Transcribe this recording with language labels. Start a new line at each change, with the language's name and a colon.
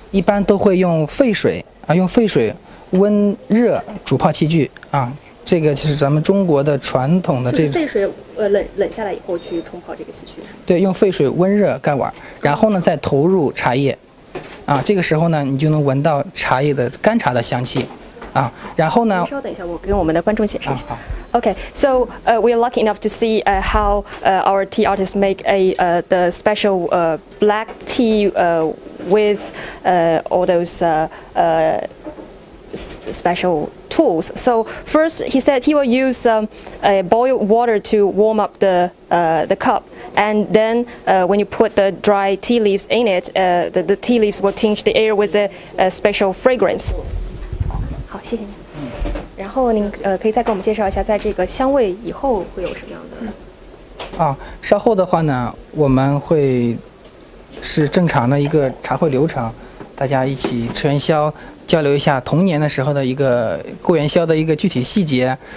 Chinese: 一般都会用沸水啊，用沸水温热煮泡器具啊，这个就是咱们中国的传统的这个。沸水冷下来以后去冲泡这个器具。对，用沸水温热盖碗，然后呢再投入茶叶，啊，这个时候呢你就能闻到茶叶的干茶的香气。然后呢稍等一下我跟我们的观众解释一下、啊、
English: Okay, so we are lucky enough to see how our tea artists make the special black tea with all those special tools. So first he said he will use boiled water to warm up the cup, and then when you put the dry tea leaves in it, the tea leaves will tinge the air with a special fragrance.
Chinese: 好，谢谢您。然后您可以再给我们介绍一下，在这个香味以后会有什么样的？啊，稍后的话呢，我们会是正常的一个茶会流程，大家一起吃元宵，交流一下童年的时候的一个过元宵的一个具体细节。